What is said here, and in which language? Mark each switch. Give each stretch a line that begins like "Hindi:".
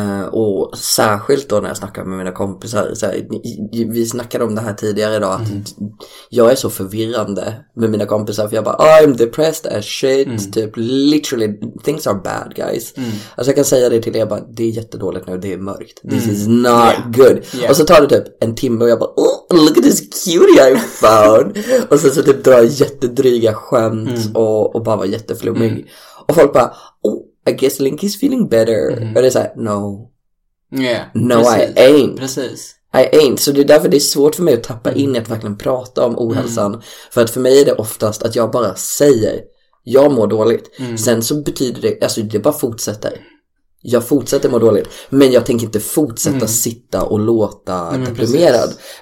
Swedish: Och särskilt då när jag snackar med mina kompisar, så här, vi snackade om det här tidigare idag, att jag är så förvirrande med mina kompisar, för jag bara,
English: I'm depressed as shit,
Swedish: typ literally,
English: things are bad guys.
Swedish: Alltså jag kan säga det till er, jag bara, det är jättedåligt nu, det är mörkt,
English: this is not good.
Swedish: Och så tar det typ en timme och jag bara,
English: oh, look at this cutie I found.
Swedish: Och sen så typ drar jag jättedryga skämt och bara var jätteflummig. Och folk bara,
English: oh, I guess Link is feeling better. Mm. But it's like, no. Yeah. No, precis. I ain't.
Swedish: Precis.
English: I ain't.
Swedish: Så det är därför det är svårt för mig att tappa in i att verkligen prata om ohälsan. För att för mig är det oftast att jag bara säger, jag mår dåligt. Sen så betyder det, alltså det bara fortsätter. Jag fortsätter må dåligt. Men jag tänker inte fortsätta sitta och låta deprimerad. Precis.